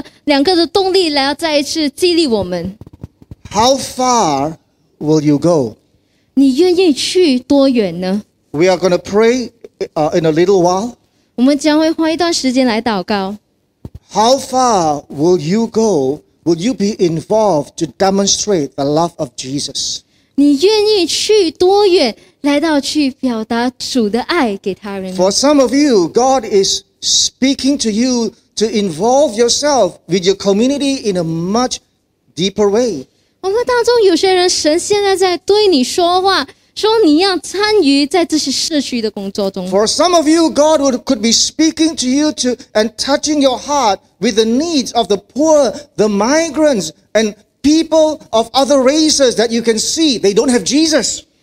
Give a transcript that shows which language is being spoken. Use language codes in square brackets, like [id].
[zh] 那我们今天透过这个信息呢，让我们这个感恩的心、怜悯的心，让圣灵透过这些的两个的动力来再一次激励我们。 [en] How far will you go? [zh] 你愿意去多远呢? [en] We are going to pray in a little while. [zh] 我们将会花一段时间来祷告。 [en] How far will you go? Will you be involved to demonstrate the love of Jesus? [zh] 你愿意去多远来到去表达主的爱给他人吗? [en] For some of you, God is speaking to you to involve yourself with your community in a much deeper way. [zh] 我们当中有些人，神现在在对你说话，说你要参与在这些社区的工作中。 [en] For some of you, God could be speaking to you to and touching your heart with the needs of the poor, the migrants, and people of other races that you can see they don't have Jesus.